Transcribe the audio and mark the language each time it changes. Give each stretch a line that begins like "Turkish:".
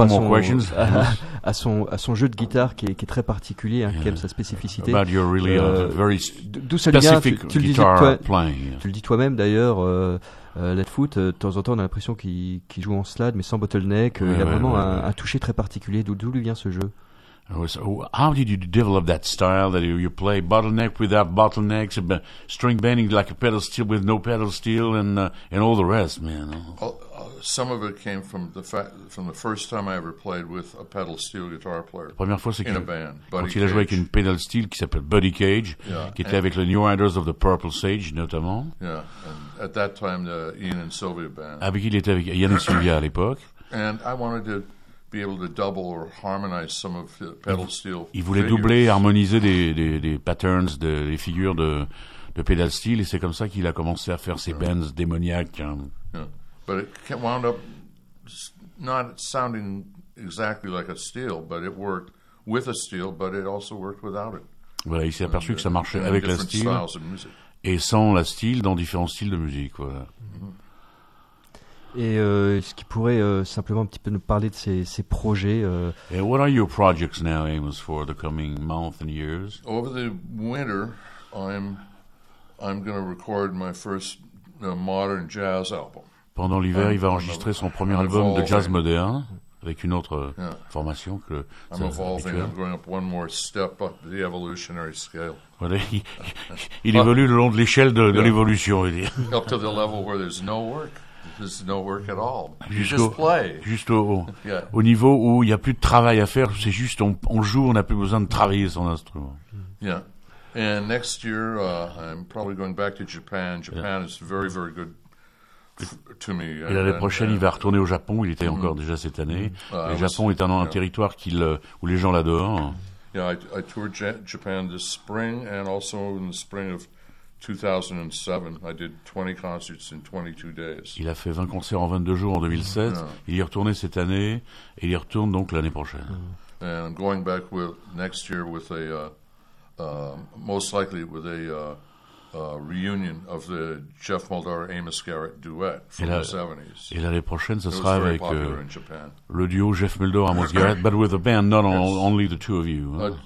French: rapport à son jeu de guitare qui est très particulier, hein, yeah. Qui aime sa spécificité.
English: About your really very
French: d'où ça vient, tu le dis toi-même d'ailleurs, Leadfoot, de temps en temps, on a l'impression qu'il joue en slide, mais sans bottleneck. Il a vraiment un toucher très particulier. D'où lui vient ce jeu?
English: How did you develop that style that you play bottleneck without bottlenecks, string bending like a pedal steel with no pedal steel, and all the rest, man? Some of it came from the first time I ever played with a pedal steel guitar player.
French: Première fois, c'est
English: in a band.
French: Quand il a joué avec une pedal steel qui s'appelle Buddy Cage, yeah, qui était avec le New Riders of the Purple Sage, notamment.
English: Yeah, and at that time, the Ian and Sylvia band.
French: Avec qui il était avec Ian et Sylvia à l'époque.
English: And I wanted to be able to double or harmonize some of the pedal steel.
French: Il voulait doubler, harmoniser des patterns, des figures de pedal steel, et c'est comme ça qu'il a commencé à faire ses bends démoniaques. Yeah.
English: But it wound up not sounding exactly like a steel, but it worked with a steel, but it also worked without it.
French: Voilà, il s'est aperçu que ça marchait avec la steel et sans la steel dans différents styles de musique. Voilà. Et est-ce qu'il pourrait simplement un petit peu nous parler de ses projets
English: And what are your projects now, Amos, for the coming month and years? Over the winter, I'm going to record my first modern jazz album.
French: Pendant l'hiver, il va enregistrer son premier album de jazz moderne avec une autre formation que
English: I'm evolving, I'm going up one more step up the evolutionary scale.
French: Voilà, il évolue le long de l'échelle de l'évolution, il dit.
English: Up to the level where there's no work. There's no work at all. You just play.
French: Juste au niveau où il n'y a plus de travail à faire, c'est juste on joue, on n'a plus besoin de travailler son instrument. Yeah.
English: And next year, I'm probably going back to Japan. Japan is very, very good to me.
French: Et l'année prochaine, il va retourner au Japon. Il était encore déjà cette année. Le Japon est un territoire où les gens l'adorent.
English: Yeah, I toured Japan this spring and also in the spring of 2007, I did 20 concerts in 22 days.
French: Il a fait 20 concerts en 22 jours en 2007. Yeah. Il y est retourné cette année et il y retourne donc l'année prochaine.
English: And I'm going back with next year with a most likely with a reunion of the Jeff Muldaur Amos Garrett duet from the 70s.
French: Et l'année prochaine, ce sera avec
English: Japan.
French: Le duo
English: Jeff Muldaur Amos Garrett, but with a band, not only the two of you.